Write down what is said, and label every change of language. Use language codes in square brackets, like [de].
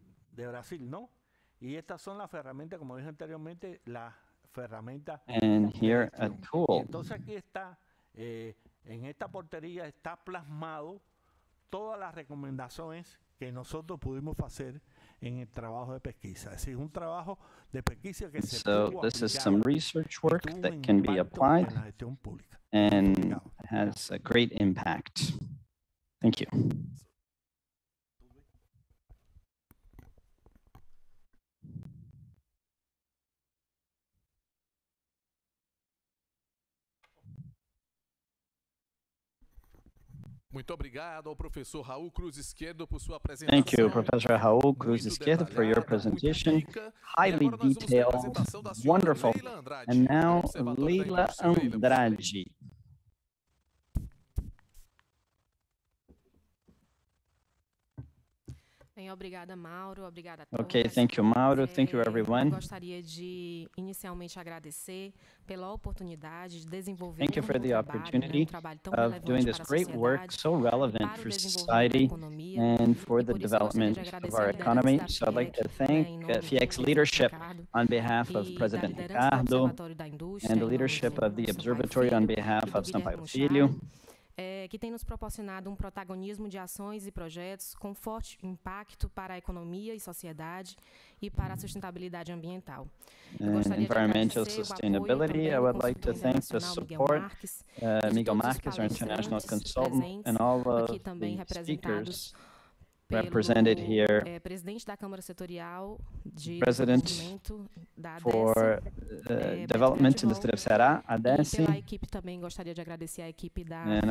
[es] de Brasil, ¿no? Y estas son las herramientas, como dije anteriormente, la herramienta. [en] And here a tool. [es] Y entonces aquí está, en esta portería está plasmado todas las recomendaciones que nosotros pudimos hacer en el trabajo de pesquisa. Es decir, un trabajo de pesquisa que se [en] so [es] pudo [en] this is some research work that can be applied and has a great impact. Thank you. [pt] Muito obrigado ao professor Raul Cruz Esquerdo por sua apresentação. [en] Thank you, Professor Raul Cruz Esquerdo, for your presentation. Highly detailed, wonderful. And now, Leila Andrade. [pt] Bem, obrigada, Mauro. Obrigada a todos. [en] Okay, thank you, Mauro. Thank you, everyone. [pt] Eu gostaria de inicialmente agradecer pela oportunidade de desenvolver [en] thank you for the opportunity of doing this great work so relevant for society and for the development of our economy. So I'd like to thank FIEC's leadership on behalf of President Ricardo and the leadership of the Observatory on behalf of Sampaio Filho. [pt] Que tem nos proporcionado protagonismo de ações e projetos com forte impacto para a economia e sociedade e para a sustentabilidade ambiental. [en] Environmental sustainability, I would like to thank the support, Miguel Marques, our international consultant, and all of the speakers represented here. [pt] Presidente da Câmara Setorial de [en] President for Development in the State of Ceará, ADESI. [pt] Equipe também gostaria de agradecer a equipe da